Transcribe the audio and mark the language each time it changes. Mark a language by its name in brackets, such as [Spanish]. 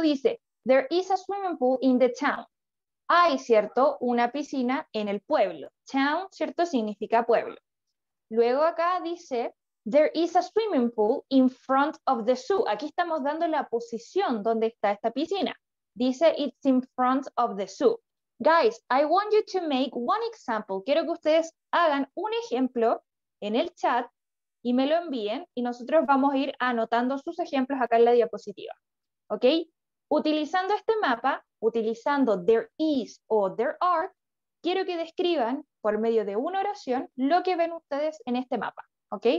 [English] Dice, there is a swimming pool in the town. [Spanish] Hay, ¿cierto? Una piscina en el pueblo. Town, ¿cierto? Significa pueblo. Luego acá dice, [English] There is a swimming pool in front of the zoo. [Spanish] Aquí estamos dando la posición donde está esta piscina. [English] Dice, it's in front of the zoo. Guys, I want you to make one example. [Spanish] Quiero que ustedes hagan un ejemplo en el chat y me lo envíen y nosotros vamos a ir anotando sus ejemplos acá en la diapositiva. ¿Ok? Utilizando este mapa, utilizando there is o there are, quiero que describan por medio de una oración lo que ven ustedes en este mapa. ¿Ok?